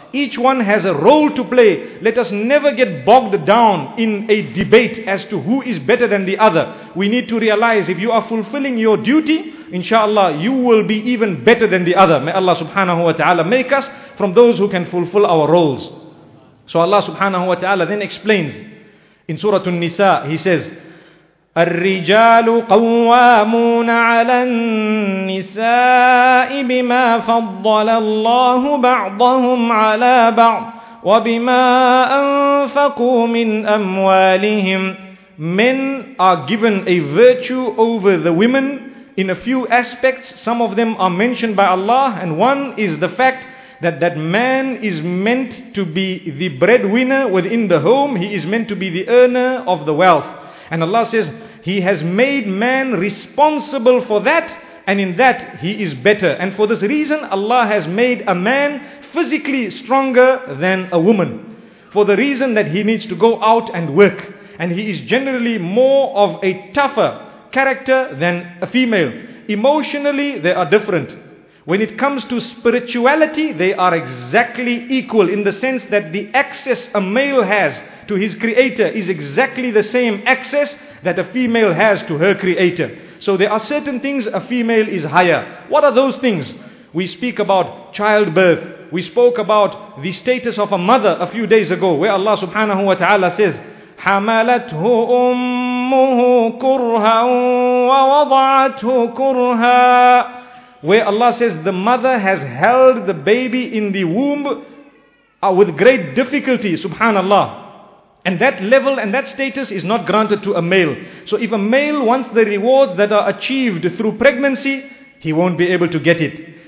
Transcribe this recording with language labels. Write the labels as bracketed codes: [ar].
[en] Each one has a role to play. Let us never get bogged down in a debate as to who is better than the other. We need to realize if you are fulfilling your duty, inshallah, you will be even better than the other. May Allah subhanahu wa ta'ala make us from those who can fulfill our roles. So Allah subhanahu wa ta'ala then explains in Surah An-Nisa, He says, [ar] الرجال قوامون على النساء بما فضل الله بعضهم على بعض وبما أنفقوا من أموالهم. [en] Men are given a virtue over the women in a few aspects. Some of them are mentioned by Allah, and one is the fact that that man is meant to be the breadwinner within the home. He is meant to be the earner of the wealth. And Allah says, He has made man responsible for that, and in that he is better. And for this reason, Allah has made a man physically stronger than a woman. For the reason that he needs to go out and work. And he is generally more of a tougher character than a female. Emotionally, they are different. When it comes to spirituality, they are exactly equal in the sense that the access a male has to his creator is exactly the same access that a female has to her creator. So there are certain things a female is higher. What are those things? We speak about childbirth. We spoke about the status of a mother a few days ago, where Allah subhanahu wa ta'ala says, [ar] حَمَلَتْهُ أُمُّهُ كُرْهًا وَوَضَعَتْهُ كُرْهًا. [en] Where Allah says the mother has held the baby in the womb with great difficulty, subhanallah. And that level and that status is not granted to a male. So if a male wants the rewards that are achieved through pregnancy, he won't be able to get it.